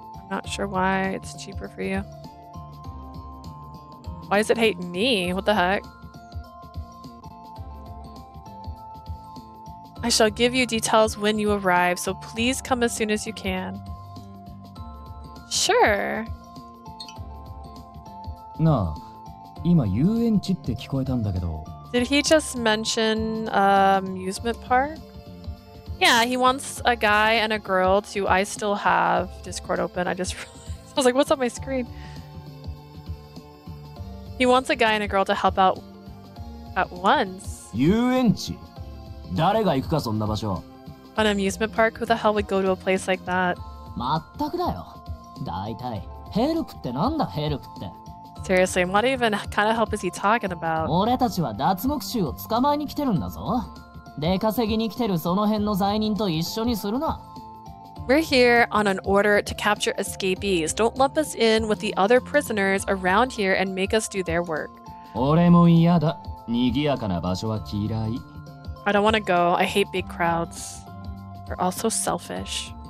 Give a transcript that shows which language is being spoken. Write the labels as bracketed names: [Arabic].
[English] Not sure why it's cheaper for you. Why does it hate me? What the heck? I shall give you details when you arrive, so please come as soon as you can. Sure. [Japanese] なあ、今遊園地って聞こえたんだけど。 [English] Did he just mention amusement park? Yeah, he wants a guy and a girl to. I still have Discord open. I just realized. I was like, what's on my screen? He wants a guy and a girl to help out at once. [Japanese] 遊園地? 誰が行くかそんな場所? [English] An amusement park? Who the hell would go to a place like that? [Japanese] 全くだよ。大体、ヘルプってなんだ、ヘルプって。 [English] Seriously, what even kind of help is he talking about? [Japanese] 俺たちは脱獄囚を捕まえに来てるんだぞ。出稼ぎに来てるその辺の罪人と一緒にするな。 [English] We're here on an order to capture escapees. Don't lump us in with the other prisoners around here and make us do their work. [Japanese] 俺も嫌だ。賑やかな場所は嫌い。 [English] I don't want to go. I hate big crowds. They're all so selfish.